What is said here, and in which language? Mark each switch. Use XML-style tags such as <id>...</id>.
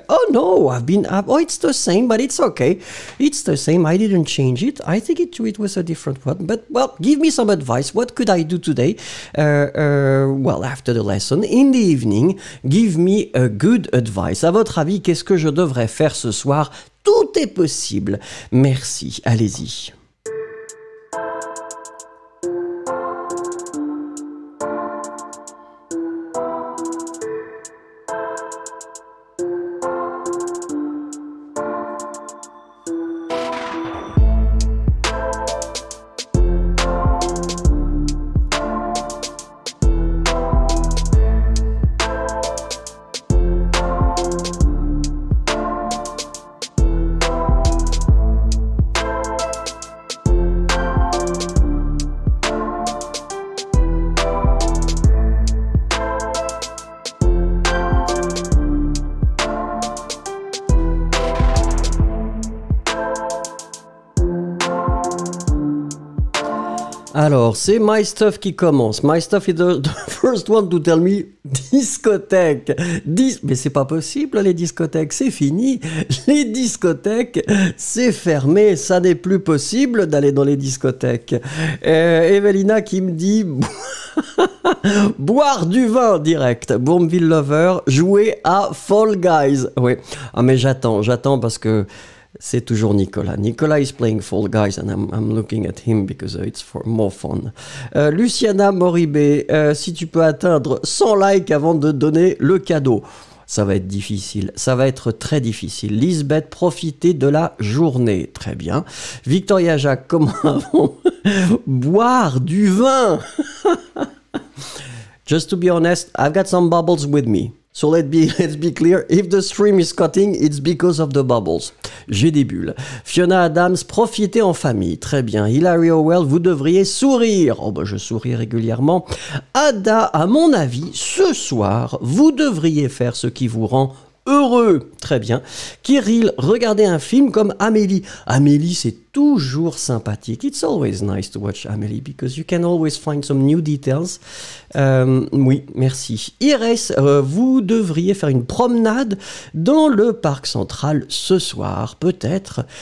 <en>It's the same, but it's okay. It's the same, I didn't change it. I think it was a different one. But, well, give me some advice. What could I do today? After the lesson, in the evening, give me a good advice.</en> <fr>À votre avis, qu'est-ce que je devrais faire ce soir? Tout est possible. Merci. Allez-y. Alors, c'est My Stuff qui commence.</fr> <en>My Stuff is the first one to tell me discothèque.</en> <fr>Mais c'est pas possible, les discothèques, c'est fini. Les discothèques, c'est fermé. Ça n'est plus possible d'aller dans les discothèques. Evelina qui me dit boire du vin direct. Bourneville Lover, jouer à Fall Guys. Oui, ah, mais j'attends parce que. C'est toujours Nicolas.</fr> <en>Nicolas is playing Fall Guys and I'm looking at him because it's for more fun.</en> <fr>Luciana Moribé, si tu peux atteindre 100 likes avant de donner le cadeau. Ça va être difficile. Ça va être très difficile. Lisbeth, profitez de la journée. Très bien. Victoria Jacques, comment avons-nous boire du vin?</fr> <en>Just to be honest, I've got some bubbles with me. So let's be clear, if the stream is cutting, it's because of the bubbles.</en> <fr>J'ai des bulles. Fiona Adams, profitez en famille. Très bien. Hilary Howell, vous devriez sourire. Oh ben, je souris régulièrement. Ada, à mon avis, ce soir, vous devriez faire ce qui vous rend heureux. Très bien. Kirill, regardez un film comme Amélie. Amélie, c'est toujours sympathique.</fr> <en>It's always nice to watch Amélie because you can always find some new details.</en> <fr>Oui, merci. Iris, vous devriez faire une promenade dans le parc central ce soir, peut-être.</fr>